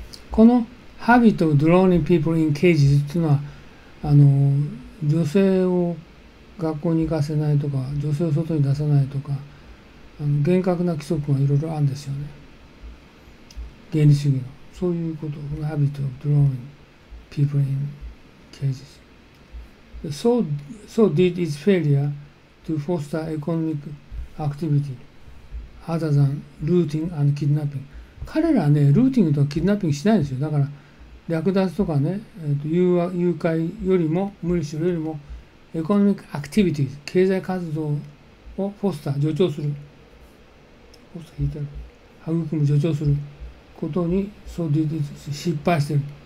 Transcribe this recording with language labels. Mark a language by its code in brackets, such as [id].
[ja] この [en] Habit of drawing people in cages [ja] っていうのは、あの、女性を学校に行かせないとか、女性を外に出さないとか、あの、厳格な規則がいろいろあるんですよね、原理主義の。そういうこと、この [en] Habit of drawing people in cages。 So did its failure to foster economic activity other than looting and kidnapping. [ja] 彼らはね、ルーティングとかキッドナッピングしないんですよ。だから略奪とかね、誘拐よりも無理するよりもエコノミックアクティビティ、経済活動をフォスター、助長する、フォスター引いてる、育む、助長することに、そうディーツ失敗してる。